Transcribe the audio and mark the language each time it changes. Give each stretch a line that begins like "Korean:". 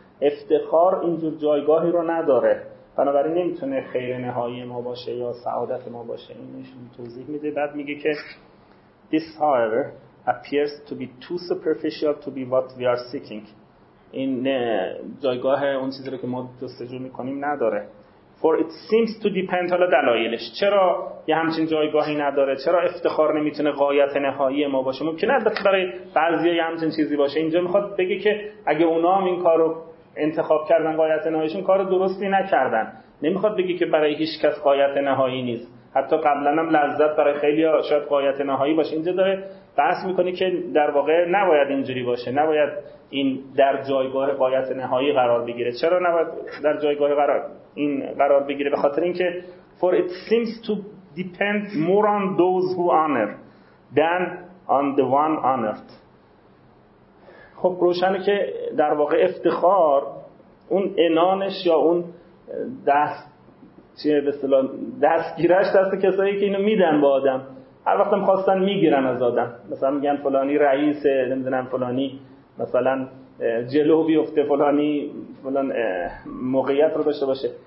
Persian: افتخار اینجور جایگاهی رو نداره، بنابراین نمیتونه خیر نهایی ما باشه یا سعادت ما باشه. اینش توضیح میده. بعد میگه که
English: This however appears to be too superficial to be what we are seeking.
Persian: این جایگاه اون چیزی رو که ما جستجو میکنیم نداره.
English: For it seems to depend.
Persian: حالا دلایلش چرا یه همچین جایگاهی نداره، چرا افتخار نمیتونه غایت نهایی ما باشه؟ ممکنه البته برای بعضی یه همچین چیزی باشه. اینجا میخواد بگه که اگه اونا هم این کار رو انتخاب کردن غایت نهاییشون، کار درستی نکردن. نمیخواد بگه که برای هیچ کس غایت نهایی نیست، حتی قبلا هم لذت برای خیلی شاید غایت نهایی باشه. اینجا داره بحث میکنه که در واقع نباید اینجوری باشه، نباید این در جایگاه غایت نهایی قرار بگیره. چرا نباید در جایگاه قرار این قرار بگیره؟ به خاطر اینکه
English: for it seems to depend more on those who honor than on the one honored.
Persian: خب روشنه که در واقع افتخار اون انانش یا اون دست چیه به اصطلاح دستگیرش دست کسایی که اینو میدن به آدم، هر وقت هم خواستن میگیرن از آدم. مثلا میگن فلانی رئیس، نمیدونم فلانی مثلا جلو بیفته، فلانی فلان موقعیت رو داشته باشه.